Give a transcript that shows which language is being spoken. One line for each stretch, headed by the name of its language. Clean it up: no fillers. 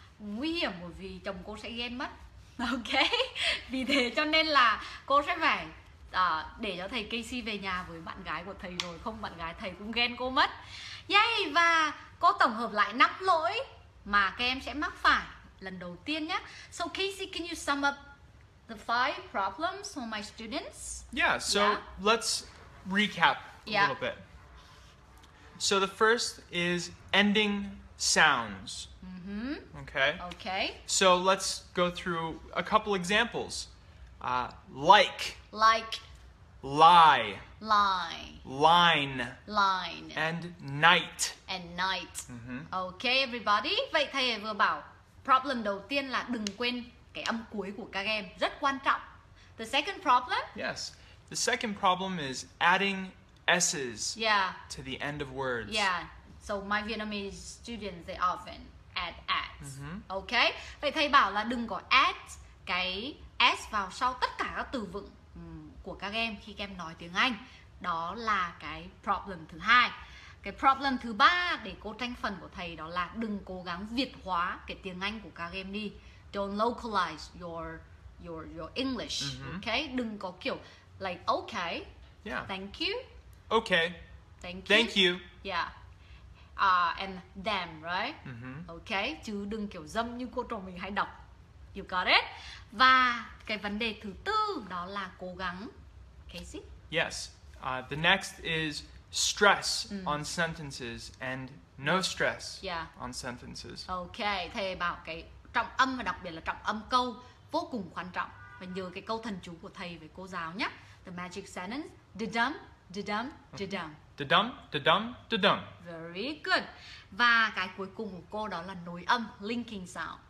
Vietnamese: Nguy hiểm bởi vì chồng cô sẽ ghen mất. Ok? Vì thế cho nên là cô sẽ phải để cho thầy Kasey về nhà với bạn gái của thầy rồi. Không, bạn gái thầy cũng ghen cô mất. Yay, và cô tổng hợp lại 5 lỗi mà các em sẽ mắc phải lần đầu tiên nhé.
English: So Kasey, can you sum up the 5 problems for my students? Yeah, so yeah. let's recap a yeah. little bit. So the first is ending sounds. Mm-hmm. Okay. Okay. So let's go through a couple examples. Like. Like. Lie. Lie. Line. Line. And night. And night. Mm-hmm. Okay, everybody.
Vietnamese: Vậy thầy vừa bảo problem đầu tiên là đừng quên cái âm cuối của các em, rất quan trọng.
English: The second problem? Yes. The second problem is adding S's yeah. to the end of words. Yeah. So my Vietnamese students, they often add S. Mm-hmm. Okay?
Vietnamese: Vậy thầy bảo là đừng có add cái S vào sau tất cả các từ vựng của các em khi các em nói tiếng Anh. Đó là cái problem thứ hai. Cái problem thứ ba để cô tranh phần của thầy đó là đừng cố gắng Việt hóa cái tiếng Anh của các em đi.
English: Don't localize your English. Mm-hmm.
Vietnamese: Okay? Đừng có kiểu
English: like okay. Yeah. Thank you. Okay. Thank you. Yeah. And them, right? Mm-hmm. Okay?
Vietnamese: Chứ đừng kiểu dâm như cô trò mình hay đọc.
English: You got it?
Vietnamese: Và cái vấn đề thứ tư đó là cố gắng Kasey.
English: Yes. The next is stress on sentences and no stress on sentences.
Vietnamese: Okay, thầy bảo cái trọng âm và đặc biệt là trọng âm câu vô cùng quan trọng. Và nhớ cái câu thần chú của thầy với cô giáo nhé.
English: The magic sentence, da-dum, da-dum, da-dum. Da-dum, da-dum, da-dum. Very good.
Vietnamese: Và cái cuối cùng của cô đó là nối âm,
English: linking sound.